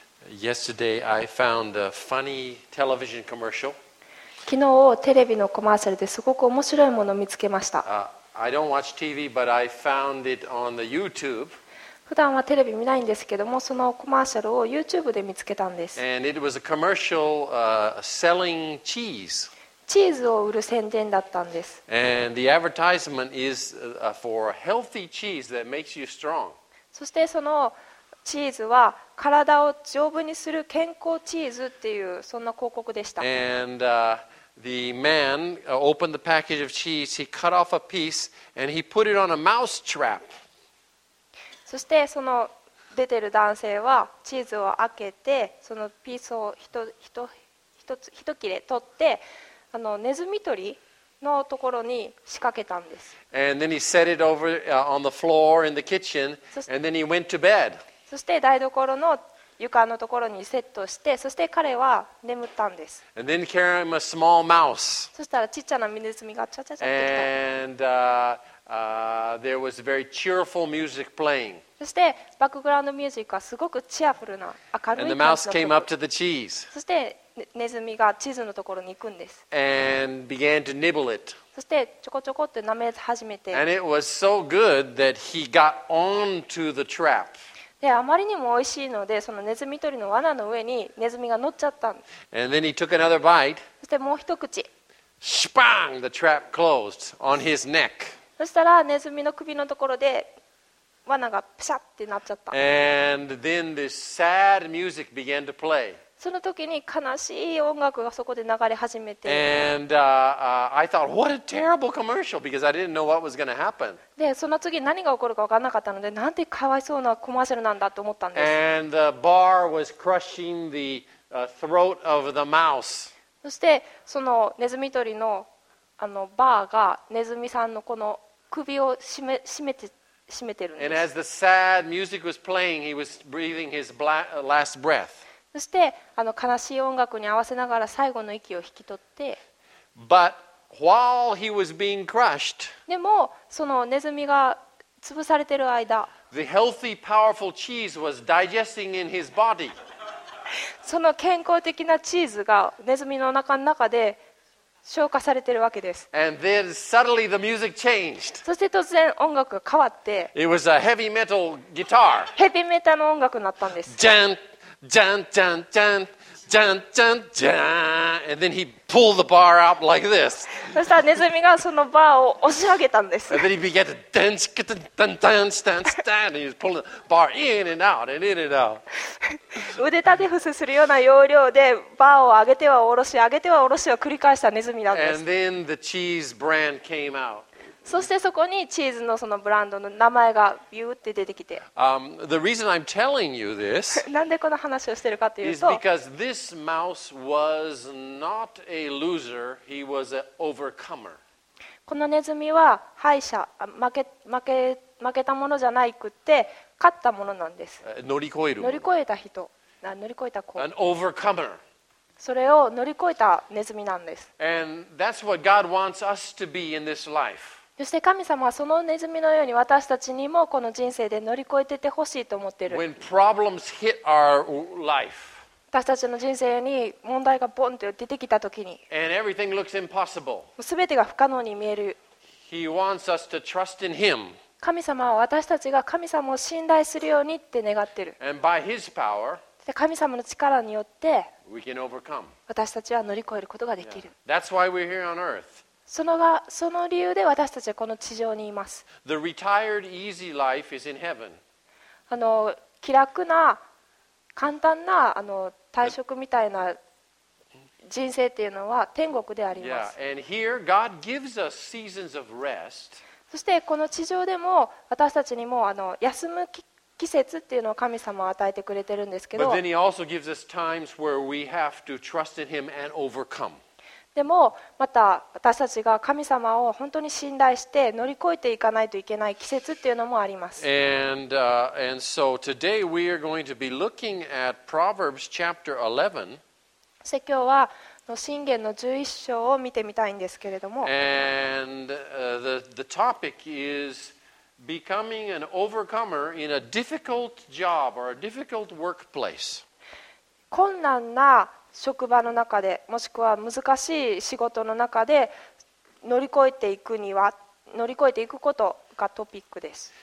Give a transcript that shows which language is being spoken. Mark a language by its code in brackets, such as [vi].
[en] Yesterday, I found a funny television commercial. [ja] 昨日、テレビのコマーシャルですごく面白いものを見つけました。 [en] I don't watch TV, but I found it on the YouTube. [ja] 普段はテレビ見ないんですけども、そのコマーシャルを YouTube で見つけたんです。 [en] And it was a commercial, selling cheese. [ja] チーズを売る宣伝だったんです。 [en] And the advertisement is for healthy cheese that makes you strong. [ja] そしてそのチーズは体を丈夫にする健康チーズっていうそんな広告でした。 [en] And the man opened the package of cheese. He cut off a piece and he put it on a mouse trap. [ja] そしてその出てる男性はチーズを開けてそのピースを一切れ取ってあのネズミ捕りのところに仕掛けたんです。 [en] And then he set it over, on the floor in the kitchen, and then he went to bed. [ja] そして台所の床のところにセットして、そして彼は眠ったんです。 [en] And then came a small mouse. [ja] そしたらちっちゃなミネズミがチャチャチャってきた。 [en] And there was very cheerful music playing. [ja] そしてバックグラウンドミュージックはすごくチアフルな明るい感じの曲。 [en] And the mouse came up to the cheese. [ja] そしてネズミがチーズのところに行くんです。 [en] And began to nibble it. [ja] そしてちょこちょこって舐め始めて。 [en] And it was so good that he got onto the trap. [ja] で、あまりにも美味しいので、そのネズミ捕りの罠の上にネズミが乗っちゃったんです。 [en] And then he took another bite. [ja] そしてもう一口。 [en] Spang! The trap closed on his neck. [ja] そしたらネズミの首のところで罠がプシャってなっちゃった。 [en] And then this sad music began to play. [ja] その時に悲しい音楽がそこで流れ始めて、 [en] And, I thought, what a terrible commercial, because I didn't know what was going to happen. [ja] で、その次何が起こるか分からなかったので、なんてかわいそうなコマーシャルなんだと思ったんです。 [en] And the bar was crushing the throat of the mouse. [ja] そしてそのネズミ捕り の, あのバーがネズミさんのこの首を締めてるんです。 [en] And as the sad music was playing, he was breathing his last breath. [ja] そしてあの悲しい音楽に合わせながら最後の息を引き取って [en] But while he was being crushed, [ja] でもそのネズミが潰されてる間 [en] the healthy, powerful cheese was digesting in his body. [ja] その健康的なチーズがネズミの中の中で消化されてるわけです [en] And then suddenly the music changed. [ja] そして突然音楽が変わって [en] It was a heavy metal guitar. [ja] ヘビメタの音楽になったんです [en] ジャンジャンジャンジャンジャンジャンジャン and then he pulled the bar out like this. [ja] そしたらネズミがそのバーを押し上げたんです。 [en] And then he began to dance, get the dance, dance, dance, dance, and he was pulling the bar in and out and in and out. [ja] 腕立て伏せするような要領でバーを上げては下ろし、上げては下ろしを繰り返したネズミなんです。 [en] And then the cheese brand came out. [ja] そしてそこにチーズのそのブランドの名前がビューって出てきて。 [en] The reason I'm telling you this [ja] なんでこの話をしてるかというと [en] is because this mouse was not a loser, he was an overcomer. [ja] このネズミは敗者、負けたものじゃないくって勝ったものなんです。乗り越える。乗り越えた人、乗り越えた子。 [en] An overcomer. [ja] それを乗り越えたネズミなんです。 [en] And that's what God wants us to be in this life. [ja] そして神様はそのネズミのように私たちにもこの人生で乗り越えててほしいと思っている。 [en] When problems hit our life, [ja] 私たちの人生に問題がボンと出てきたときに、 [en] And everything looks impossible. [ja] 全てが不可能に見える。 [en] He wants us to trust in him. [ja] 神様は私たちが神様を信頼するようにって願ってる。 [en] And by his power, [ja] 神様の力によって、 [en] we can overcome. [ja] 私たちは乗り越えることができる。 [en] Yeah. That's why we're here on earth. [ja] その理由で私たちはこの地上にいます。 [en] The retired easy life is in heaven. [ja] あの気楽な簡単なあの退職みたいな人生っていうのは天国であります。 [en] Yeah. And here, God gives us seasons of rest. [ja] そしてこの地上でも私たちにもあの休む季節っていうのを神様は与えてくれてるんですけど。 [en] But then He also gives us times where we have to trust in Him and overcome. [ja] でもまた私たちが神様を本当に信頼して乗り越えていかないといけない季節っていうのもあります。 [en] And so today we are going to be looking at Proverbs chapter 11. [ja] そして今日は箴言の11章を見てみたいんですけれども。 [en] And the topic is becoming an overcomer in a difficult job or a difficult workplace. [ja] 困難な職場の中で、もしくは難しい仕事の中で乗り越えていくには、乗り越えていくことがトピックです。